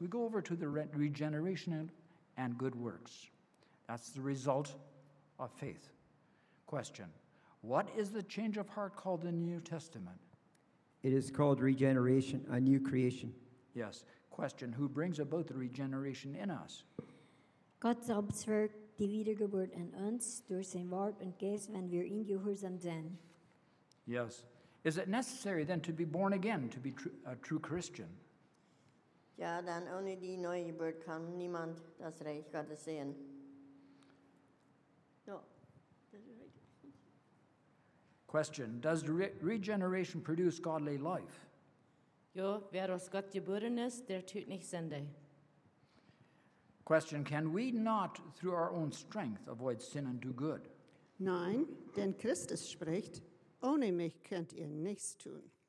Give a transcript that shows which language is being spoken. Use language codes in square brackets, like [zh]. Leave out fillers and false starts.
[en] We go over to the regeneration and good works. That's the result of faith. Question, what is the change of heart called in the New Testament? It is called regeneration, a new creation. Yes. Question, who brings about the regeneration in us? [de] Gott selbst wirkt die Wiedergeburt in uns durch sein Wort und Geist, wenn wir ihn gehorsam sind. [en] Yes. Is it necessary then to be born again to be a true Christian? [de] Ja, dann ohne die Neugeburt kann niemand das Reich Gottes sehen. [en] No. Question, does regeneration produce godly life? [de] Ja, wer aus Gott geboren ist, der tut nicht Sünde. [en] Question, can we not through our own strength avoid sin and do good? [de] Nein, denn Christus spricht, ohne mich könnt ihr nichts tun.